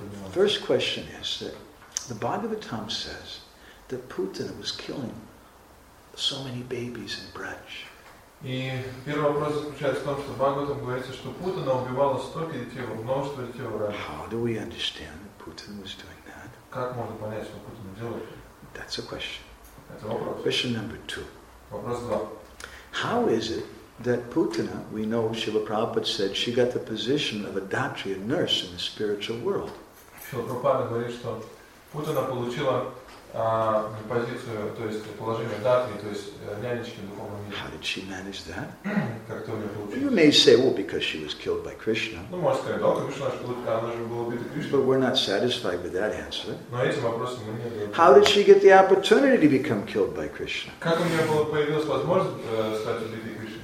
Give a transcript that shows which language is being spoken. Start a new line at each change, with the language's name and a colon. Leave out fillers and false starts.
English: First question is that the Bhagavatam says that Putana was killing so many babies in Braj.
Russian: И первый вопрос заключается в том, что Бхагаватам говорится, что Путана убивала столько детей, множество детей в раю.
English: How do we understand that Putin was doing that?
Russian: Как можно понять, что Путин делает?
English: That's a question.
Russian: Это вопрос.
English: Question number two.
Russian: Вопрос два.
English: How is it that Putana, we know Srila Prabhupada said, she got the position of a dhatri, a nurse in the spiritual world?
Russian: Srila Prabhupada говорит, что Путана получила позицию, то есть положение дхатри, то есть нянечки в духовном мире.
English: How did she manage that?
Russian: Как-то у нее получилось.
English: You may say, well, because she was killed by Krishna.
Russian: Ну, можно сказать, да, Кришна, она же была убита Кришной.
English: But we're not satisfied with that answer.
Russian: Но этим вопросом мы не ответили.
English: How did she get the opportunity to become killed by Krishna?
Russian: Как у нее появилась возможность стать убитой Кришной?